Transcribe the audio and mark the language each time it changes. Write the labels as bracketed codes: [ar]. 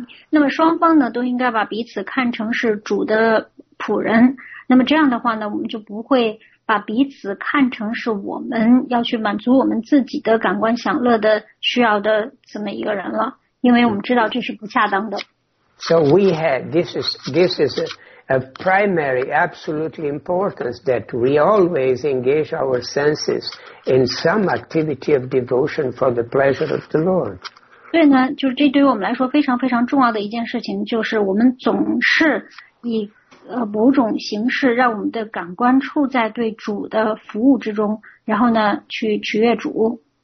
[zh] 那么双方呢都应该把彼此看成是主的仆人。那么这样的话呢，我们就不会把彼此看成是我们要去满足我们自己的感官享乐的需要的这么一个人了，因为我们知道这是不恰当的。 [en] So we had, this is a primary, absolutely importance that we always engage our senses in some activity of devotion for the pleasure of the Lord. [zh] 对呢，就是这对于我们来说非常非常重要的一件事情，就是我们总是以某种形式让我们的感官处在对主的服务之中，然后呢去取悦主。